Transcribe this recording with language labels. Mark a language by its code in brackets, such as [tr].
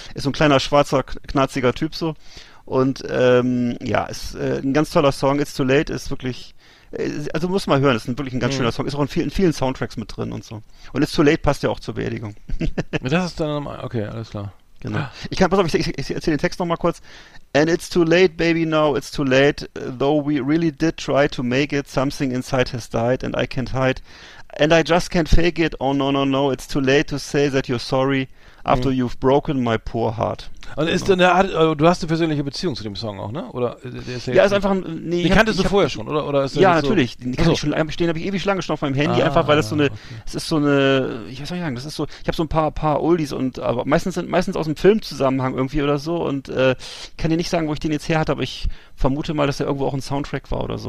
[de] Ist so ein kleiner, schwarzer, knarziger Typ so. Und ist ein ganz toller Song, It's Too Late, ist wirklich. Also muss man hören, das ist wirklich ein ganz schöner Song. Ist auch in vielen Soundtracks mit drin und so. Und It's Too Late passt ja auch zur Beerdigung. Das ist dann nochmal, okay, alles klar. Genau. Ich erzähle den Text nochmal kurz. [en] And it's too late, baby, now it's too late. Though we really did try to make it, something inside has died and I can't hide. And I just can't fake it, oh no, no, no, it's too late to say that you're sorry after you've broken my poor heart. [de] Und ist denn du hast eine persönliche Beziehung zu dem Song auch, ne? Oder ist einfach vorher schon, oder ist ja, natürlich. So? Die kann ich schon stehen, habe ich ewig lange schon auf meinem Handy, weil das so eine, es ist so eine, ich weiß nicht, das ist so, ich habe so ein paar Oldies und aber meistens aus dem Filmzusammenhang irgendwie oder so und kann dir nicht sagen, wo ich den jetzt her hatte, aber ich vermute mal, dass der irgendwo auch ein Soundtrack war oder so.